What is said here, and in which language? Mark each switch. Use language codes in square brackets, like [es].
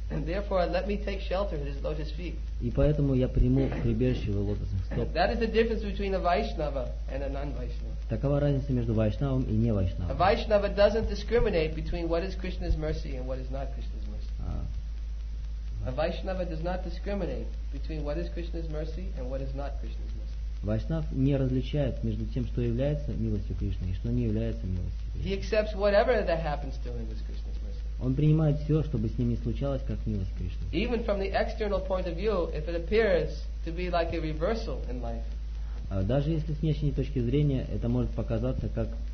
[en] And therefore, let me take shelter at his lotus feet. [ru] И поэтому я приму прибежище в лотосных стоп. [en] That is the difference between a Vaishnava and a non-Vaishnava. [ru] Такова разница между вайшнавом и не вайшнавом. [en] A Vaishnava doesn't discriminate between what is Krishna's mercy and what is not Krishna's mercy. A Vaishnava does not discriminate between what is Krishna's mercy and what is not Krishna's mercy. [ru] Vaishnav не различает между тем, что является милостью Кришны, и что не является милостью Кришны. [en] He accepts whatever that happens to him as Krishna's mercy. [ru] Он принимает все, чтобы с ним не случалось, как милость Кришны. [en] Even from the external point of view, if it appears to be like a reversal in life. [ru] Даже если с внешней точки зрения это может показаться как